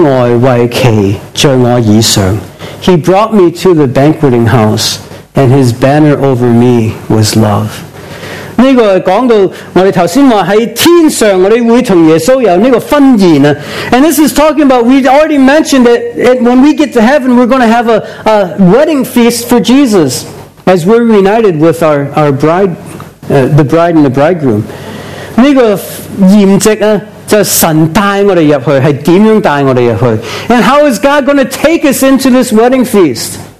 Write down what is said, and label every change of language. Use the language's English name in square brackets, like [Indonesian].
[Chinese] 他带我入席，入筵席所，以外为旗，将我以上。 [English] He brought me to the banqueting house, and His banner over me was love. [Chinese] 这个讲到我们刚才说，在天上我们会跟耶稣有这个婚宴。 [English] And this is talking about, we already mentioned that when we get to heaven, we're going to have a wedding feast for Jesus as we're reunited with our bride, the bride and the bridegroom. [Chinese] 这个筵席就是神带我们进去，是怎样带我们进去。 [English] And how is God going to take us into this wedding feast?